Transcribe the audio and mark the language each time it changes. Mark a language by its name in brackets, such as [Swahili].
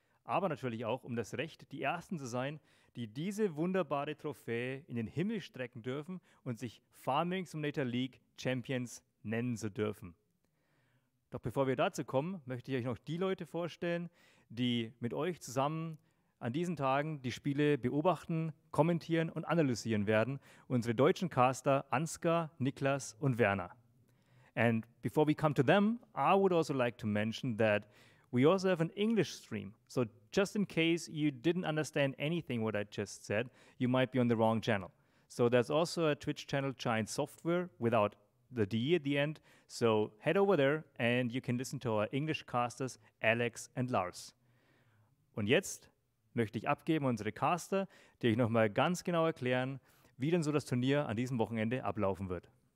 [German] Aber natürlich auch um das Recht, die Ersten zu sein, die diese wunderbare Trophäe in den Himmel strecken dürfen und sich Farming Simulator League Champions nennen zu dürfen. Doch bevor wir dazu kommen, möchte ich euch noch die Leute vorstellen, die mit euch zusammen an diesen Tagen die Spiele beobachten, kommentieren und analysieren werden. Unsere deutschen Caster Ansgar, Niklas und Werner. [English] And before we come to them, I would also like to mention that we also have an English stream. So just in case you didn't understand anything what I just said, you might be on the wrong channel. So there's also a Twitch channel, Giant Software, without the D at the end. So head over there and you can listen to our English casters, Alex and Lars. [German] Und jetzt möchte ich abgeben unsere Caster, die euch nochmal ganz genau erklären, wie denn so das Turnier an diesem Wochenende ablaufen wird.